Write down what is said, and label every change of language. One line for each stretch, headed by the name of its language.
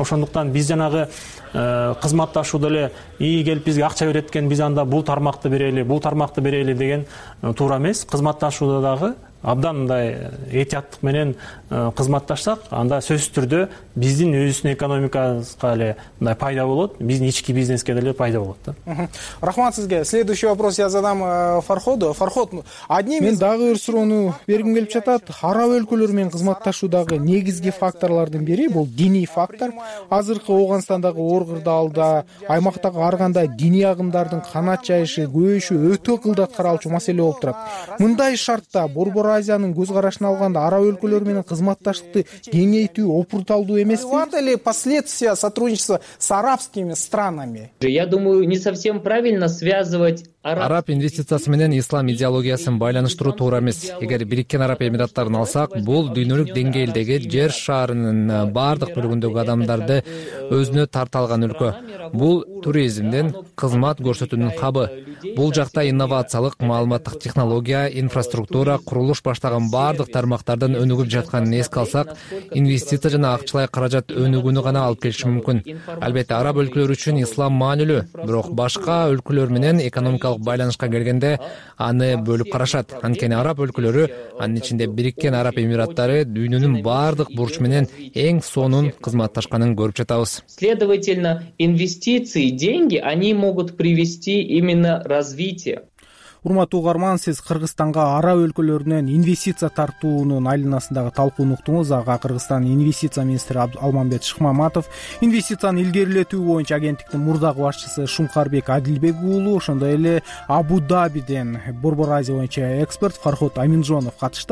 Kyrgyz: Ошондуктан биз жанагы кызматташууда эле ии келип бизге акча берет экен, биз анда бул тармакты берели, бул тармакты берели деген туура эмес. Кызматташууда дагы абдан мындай этияттык менен кызматташсак, анда сөзсүз түрдө биздин өзүбүздүн экономикабызга эле мындай пайда болот, биздин ички бизнеске деле пайда болот да. Рахмат сизге.
Russian: Следующий вопрос я задам Фарходу. Фарход, одним
Kyrgyz: мен дагы бир суроону бергим келип жатат. Араб өлкөлөр менен кызматташуудагы негизги факторлордун бири бул диний фактор. Азыркы Ооганстандагы оор кырдаалда аймактагы ар кандай диний агымдардын канат жайышы, көбөйүшү өтө кылдат каралчу маселе болуп турат. Мындай шартта Борбор Азиянын көз карашын алганда араб өлкөлөр менен кызматташтыкты кеңейтүү опурталдуу эмеспи?
Russian: Вот эле последствия сотрудничества с арабскими странами. Я думаю, не совсем правильно связывать
Kyrgyz: араб инвестициясы менен ислам идеологиясын байланыштыруу туура эмес. Эгер Бириккен Араб Эмираттарын алсак, бул дүйнөлүк деңгээлдеги жер шаарынын баардык бөлүгүндөгү адамдарды өзүнө тарта алган өлкө. Бул туризмден кызмат көрсөтүүнүн хабы. Бул жакта инновациялык, маалыматтык технология, инфраструктура, курулуш баштаган баардык тармактардын өнүгүп жатканын эске алсак, инвестиция жана акчалай каражат өнүгүүнү гана алып келиши мүмкүн. Албетте, араб өлкөлөрү үчүн ислам маанилүү, бирок башка өлкөлөр менен экономика экономикалык байланышка келгенде аны бөлүп карашат. Анткени араб өлкөлөрү, анын ичинде Бириккен Араб Эмираттары дүйнөнүн баардык бурчу менен эң сонун кызматташканын көрүп жатабыз.
Russian: Следовательно, инвестиции, деньги, они могут привести именно развитие.
Kyrgyz: Урматтуу угарман, сиз Кыргызстанга араб өлкөлөрүнөн инвестиция тартуунун айланасындагы талкууну уктуңуз. Ага Кыргызстандын инвестиция министри Алмамбет Шыкмаматов, инвестицияны илгерилетүү боюнча агенттиктин мурдагы башчысы Шункарбек Адилбек уулу, ошондой эле Абу-Дабиден Борбор Азия боюнча эксперт Фархот Аминжонов катышты.